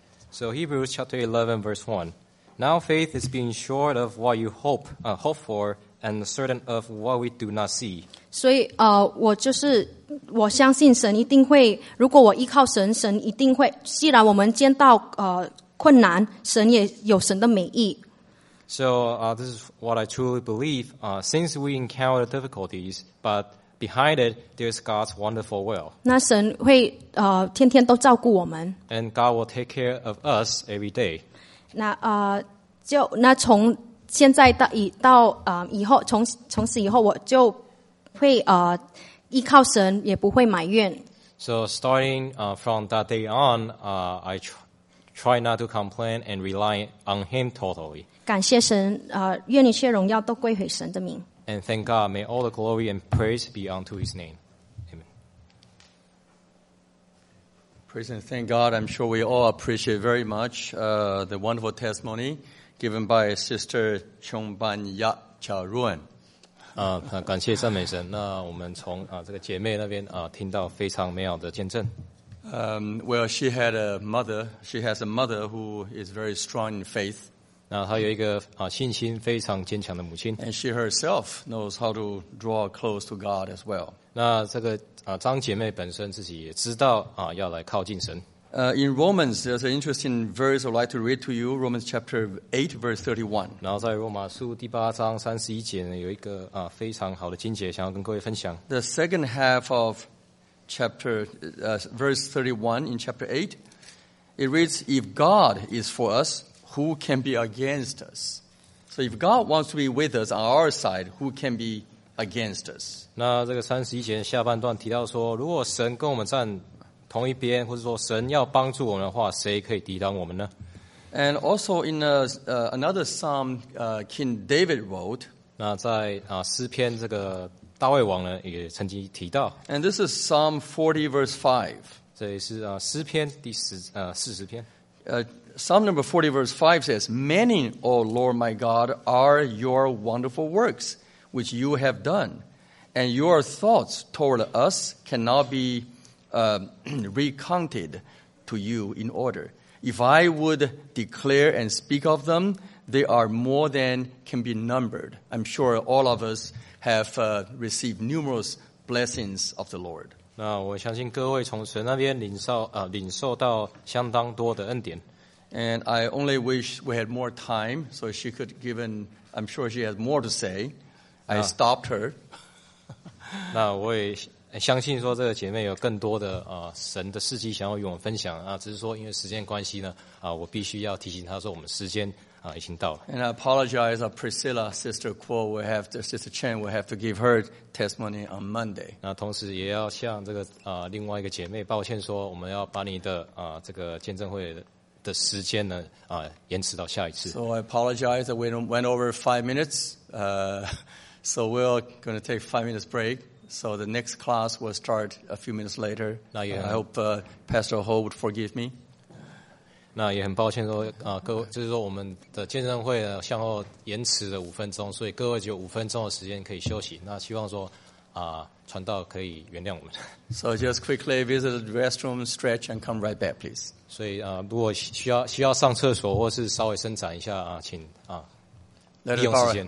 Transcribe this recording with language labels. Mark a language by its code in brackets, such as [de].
[en] So Hebrews chapter 11, verse 1. Now faith is being sure of what you hope for, and certain of what we do not see. [zh] 所以我就是我相信神一定会，如果我依靠神，神一定会，既然我们见到困难，神也有神的美意。 [en] So, this is what I truly believe. Since we encounter difficulties, but behind it, there's God's wonderful will. [zh] 那神会天天都照顾我们。 [en] And God will take care of us every day. [zh] 那就那从现在到以到以后，从此以后，我就会依靠神，也不会埋怨。 [en] So starting from that day on, I try not to complain and rely on Him totally. 感谢神，愿一切荣耀都归回神的名。 And thank God, may all the glory and praise be unto His name. Amen. Praise and thank God. I'm sure we all appreciate very much the wonderful testimony given by Sister Chong Ban Ya Cha Ruan. [zh] 感谢赞美神。那我们从这个姐妹那边听到非常美好的见证。 [en] Well, she had a mother. She has a mother who is very strong in faith. [zh] 那她有一个信心非常坚强的母亲。 [en] And she herself knows how to draw close to God as well. [zh] 那这个张姐妹本身自己也知道要来靠近神。 [en] In Romans, there's an interesting verse I'd like to read to you, Romans chapter 8, verse 31. [zh] 然后在罗马书第八章三十一节呢，有一个非常好的经节想要跟各位分享。 [en] The second half of chapter, verse 31 in chapter 8, it reads, If God is for us,Who can be against us? So if God wants to be with us on our side, who can be against us? [zh] 那这个三十一节下半段提到说，如果神跟我们站同一边，或者说神要帮助我们的话，谁可以抵挡我们呢？ [en] And also in another Psalm, King David wrote. [zh] 那在诗篇这个大卫王呢也曾经提到。 [en] And this is Psalm 40, verse 5. [zh] 这也是诗篇第十四十篇。 [en] Psalm number 40 verse 5 says, Many, O Lord my God, are your wonderful works which you have done, and your thoughts toward us cannot be recounted to you in order. If I would declare and speak of them, they are more than can be numbered. I'm sure all of us have received numerous blessings of the Lord. [zh] 那我相信各位从神那边领受到相当多的恩典。 [en] And I only wish we had more time so she could given, I'm sure she has more to say. I stopped her. [zh] 那我也相信说这个姐妹有更多的神的事迹想要与我们分享只是说因为时间关系呢我必须要提醒她说我们时间已经到了。 [en] And I apologize of Priscilla, Sister Kuo, Sister Chen will have to give her testimony on Monday. [zh] 那同时也要向这个另外一个姐妹抱歉说我们要把你的这个见证会的时间呢延迟到下一次。 [en] So I apologize that we went over 5 minutes. So we're going to take 5 minutes break. So the next class will start a few minutes later. [zh] 那也 [en] I hope Pastor Ho would forgive me. [zh] 那也很抱歉说各位就是说我们的见证会呢向后延迟了5分钟，所以各位就5分钟的时间可以休息。那希望说传道可以原谅我们。 [en] So just quickly visit the restroom, stretch, and come right back, please. [zh] 所以如果需要上厕所或是稍微伸展一下请利用时间。